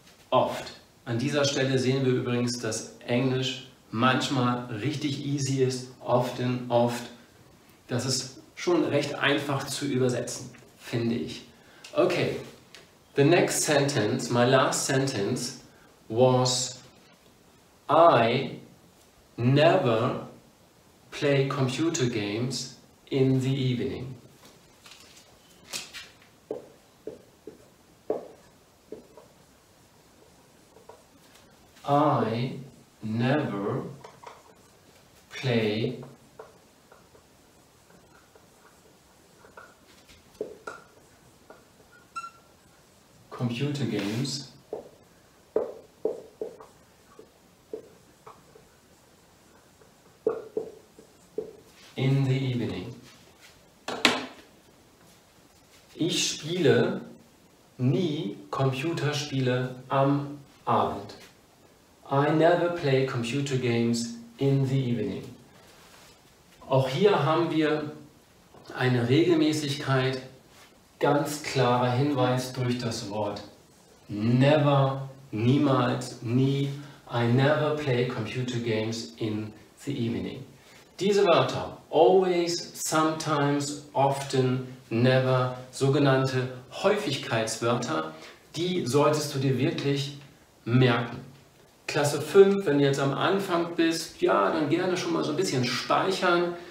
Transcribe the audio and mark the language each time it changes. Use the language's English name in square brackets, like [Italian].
[German] Oft. An dieser Stelle sehen wir übrigens, dass Englisch manchmal richtig easy ist, often, oft. Das ist schon recht einfach zu übersetzen, finde ich. [English] Okay, the next sentence, my last sentence was, I never play computer games in the evening. I never play computer games in the evening. [German] Ich spiele nie Computerspiele am Abend. [English] I never play computer games in the evening. [German] Auch hier haben wir eine Regelmäßigkeit, ganz klarer Hinweis durch das Wort never, niemals, nie. [English] I never play computer games in the evening. [German] Diese Wörter, always, sometimes, often, never, sogenannte Häufigkeitswörter, die solltest du dir wirklich merken. Klasse 5, wenn du jetzt am Anfang bist, ja, dann gerne schon mal so ein bisschen speichern.